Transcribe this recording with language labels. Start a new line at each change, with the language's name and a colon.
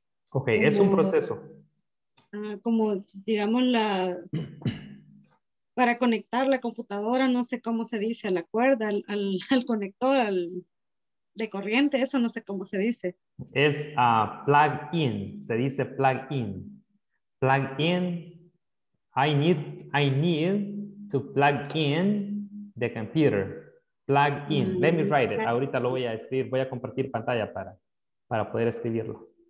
Spanish: Ok, como, es un proceso. Como, digamos, la para conectar la computadora, no sé cómo se dice, a la cuerda, al conector, al... de corriente, eso no sé cómo se dice. Es plug-in, se dice plug-in.
English: Plug-in, I need to plug-in the computer. Plug-in, let me write it.
Spanish: Ahorita lo voy a escribir, voy a compartir pantalla para poder escribirlo.